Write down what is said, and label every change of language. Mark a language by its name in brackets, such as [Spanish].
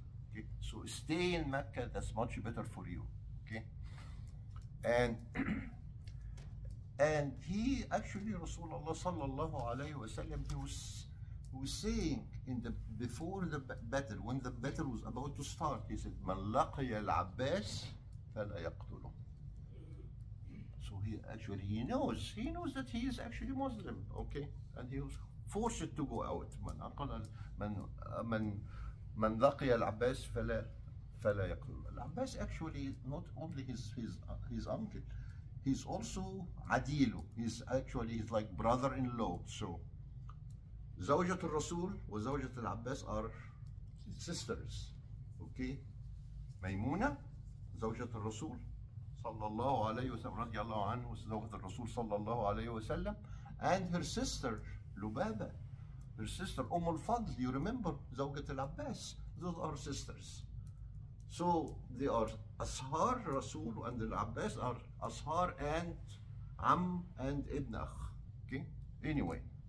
[English] Okay, so stay in Mecca, that's much better for you. Okay, and and he actually, Rasulullah sallallahu alayhi wa sallam, he was saying in the before the battle, when the battle was about to start, he said, [Arabic] "Man laqiya al-Abbas fala yaqtuluhu." [English] So he actually he knows he knows that he is actually Muslim, okay, and he was forced to go out. [Arabic] من أقل من من من لقي العباس فلا فلا يقتل العباس. [English] Actually not only his uncle, he's also عديل. He's actually he's like brother in law. So [Arabic] زوجة الرسول وزوجة العباس [English] are sisters, okay. [Arabic] ميمونة زوجة الرسول صلى الله عليه وسلم رضي الله عنه وزوجة الرسول صلى الله عليه وسلم [English] and her sister [Arabic] لبابة [English] her sister [Arabic] أم الفضل [English] you remember [Arabic] زوجة العباس [English] those are sisters so they are [Arabic] أصهار رسول and العباس are أصهار and عم and ابن أخ [English] okay anyway